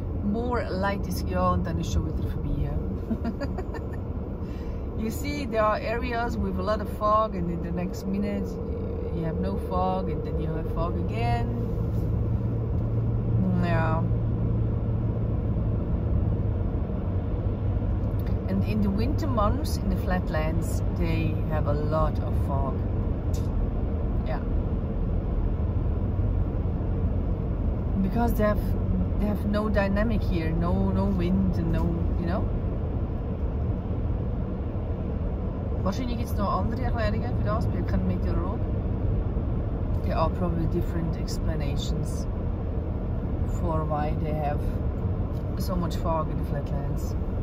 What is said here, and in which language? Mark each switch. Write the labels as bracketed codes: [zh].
[en] More light is here, [de] und dann ist schon wieder vorbei. Ja. [en] You see, there are areas with a lot of fog, and in the next minute you have no fog, and then you have fog again. Yeah. In the winter months, in the flatlands, they have a lot of fog. Yeah. Because they have no dynamic here, no wind, and no, you know? [de] Wahrscheinlich gibt es noch andere Erklärungen für das, wir können Meteorologen. [en] There are probably different explanations for why they have so much fog in the flatlands.